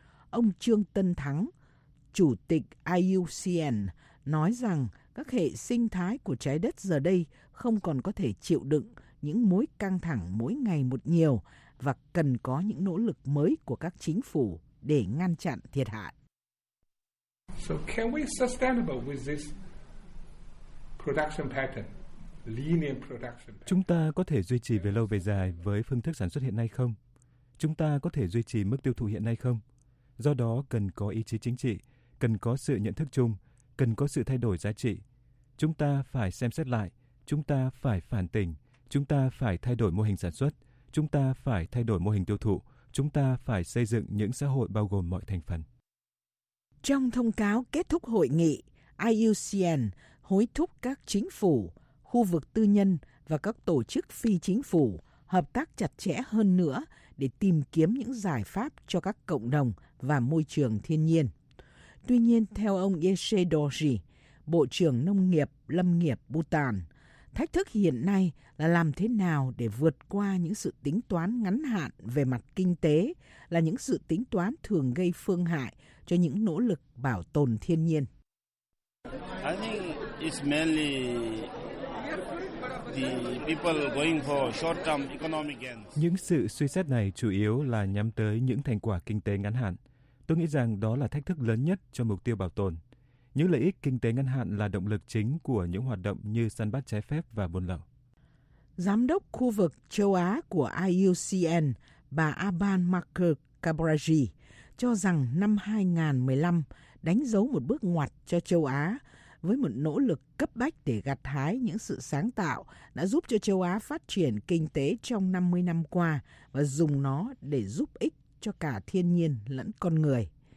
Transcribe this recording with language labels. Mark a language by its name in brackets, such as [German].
[Vietnamese] Ông Trương Tân Thắng, Chủ tịch IUCN, nói rằng các hệ sinh thái của trái đất giờ đây không còn có thể chịu đựng những mối căng thẳng mỗi ngày một nhiều và cần có những nỗ lực mới của các chính phủ để ngăn chặn thiệt hại. [English] So can we sustainable with this production pattern? Linear production pattern? [Vietnamese] Chúng ta có thể duy trì về lâu về dài với phương thức sản xuất hiện nay không? Chúng ta có thể duy trì mức tiêu thụ hiện nay không? Do đó cần có ý chí chính trị, cần có sự nhận thức chung, cần có sự thay đổi giá trị. Chúng ta phải xem xét lại, chúng ta phải phản tỉnh, chúng ta phải thay đổi mô hình sản xuất, chúng ta phải thay đổi mô hình tiêu thụ, chúng ta phải xây dựng những xã hội bao gồm mọi thành phần. Trong thông cáo kết thúc hội nghị, IUCN hối thúc các chính phủ, khu vực tư nhân và các tổ chức phi chính phủ hợp tác chặt chẽ hơn nữa để tìm kiếm những giải pháp cho các cộng đồng và môi trường thiên nhiên. Tuy nhiên, theo ông Yeshe Dorji, Bộ trưởng Nông nghiệp Lâm nghiệp Bhutan, thách thức hiện nay là làm thế nào để vượt qua những sự tính toán ngắn hạn về mặt kinh tế, là những sự tính toán thường gây phương hại cho những nỗ lực bảo tồn thiên nhiên. [English] I think it's mainly the people going for short-term economic gains. [Vietnamese] Những sự suy xét này chủ yếu là nhắm tới những thành quả kinh tế ngắn hạn. Tôi nghĩ rằng đó là thách thức lớn nhất cho mục tiêu bảo tồn. Những lợi ích kinh tế ngắn hạn là động lực chính của những hoạt động như săn bắt trái phép và buôn lậu. Giám đốc khu vực châu Á của IUCN, bà Aban Marker Cabraji, cho rằng năm 2015 đánh dấu một bước ngoặt cho châu Á với một nỗ lực cấp bách để gặt hái những sự sáng tạo đã giúp cho châu Á phát triển kinh tế trong 50 năm qua và dùng nó để giúp ích cho cả thiên nhiên lẫn con người.